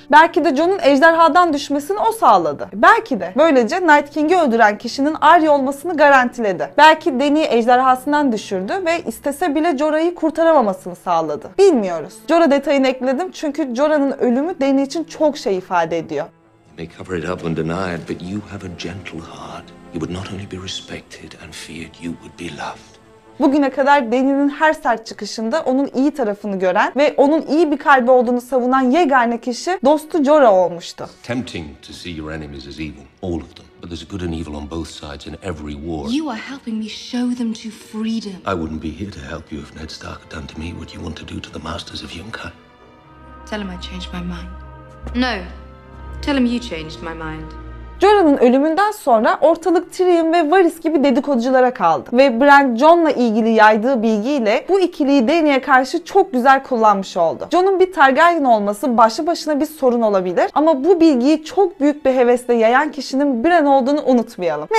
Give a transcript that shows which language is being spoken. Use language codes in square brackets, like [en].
[tr] Belki de Jon'un ejderhadan düşmesini o sağladı. Belki de. Böylece Night King'i öldüren kişinin Arya olmasını garantiledi. Belki Dany'i ejderhasından düşürdü ve istese bile Jorah'ı kurtaramamasını sağladı. Bilmiyoruz. Jorah detayını ekledim çünkü Jorah'ın ölümü Dany için çok şey ifade ediyor. [en] You may cover it up and deny it, but you have a gentle heart. You would not only be respected and feared, you would be loved. [tr] Bugüne kadar Dany'nin her sert çıkışında onun iyi tarafını gören ve onun iyi bir kalbi olduğunu savunan yegane kişi dostu Jorah olmuştu. [en] Tempting to see your enemies as evil, all of them. But there's good and evil on both sides in every war. You are helping me show them to freedom. I wouldn't be here to help you if Ned Stark had done to me what you want to do to the masters of Yunkai. Tell him I changed my mind. No, tell him you changed my mind. [tr] Jorah'ın ölümünden sonra ortalık Tyrion ve Varys gibi dedikoduculara kaldı. Ve Bran, Jon'la ilgili yaydığı bilgiyle bu ikiliyi Dany'e karşı çok güzel kullanmış oldu. Jon'un bir Targaryen olması başlı başına bir sorun olabilir ama bu bilgiyi çok büyük bir hevesle yayan kişinin Bran olduğunu unutmayalım.